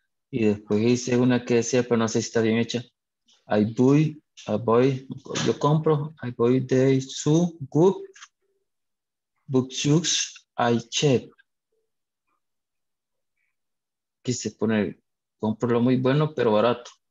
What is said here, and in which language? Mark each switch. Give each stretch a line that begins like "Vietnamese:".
Spanish: Y después hice una que decía, pero no sé si está bien hecha.
English: I buy the two good books I check.
Spanish: Quise poner, compro lo muy bueno, pero barato.